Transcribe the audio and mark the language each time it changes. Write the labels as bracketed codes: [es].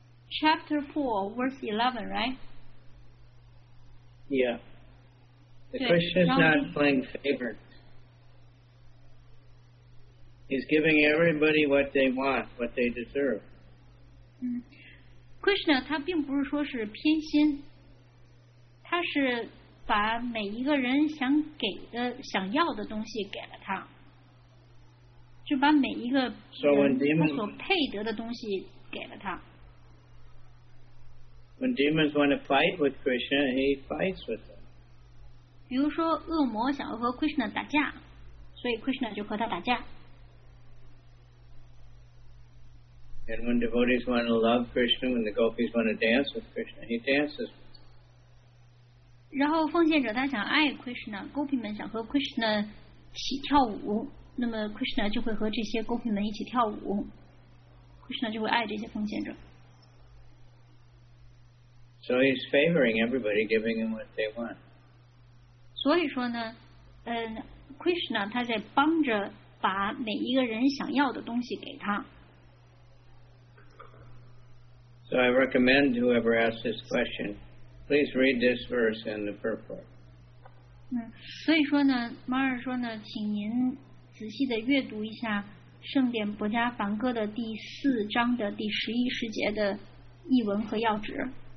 [en] chapter 4, verse 11, right? Yeah. The Christian is not playing favorite. He's giving everybody what they want, what they deserve. [zh] Krishna, 他并不是说是偏心，他是把每一个人想给的、想要的东西给了他，就把每一个人他所配得的东西给了他。 [en] When demons want to fight with Krishna, he fights with them. [zh] 比如说，恶魔想要和 Krishna 打架，所以 Krishna 就和他打架。 [en] And when devotees want to love Krishna, when the gopis want to dance with Krishna, he dances. [zh] 然后奉献者他想爱 Krishna, 勾皮们想和 Krishna 起跳舞，那么 Krishna 就会和这些勾皮们一起跳舞。 Krishna 就会爱这些奉献者。 [en] So he's favoring everybody, giving them what they want. [zh] 所以说呢，Krishna 他在帮着把每一个人想要的东西给他。 [en] So I recommend whoever asks this question, please read this verse in the purport. [zh] 所以说呢，马尔说呢，请您仔细的阅读一下《圣典博迦梵歌》的第四章的第十一十节的译文和要旨。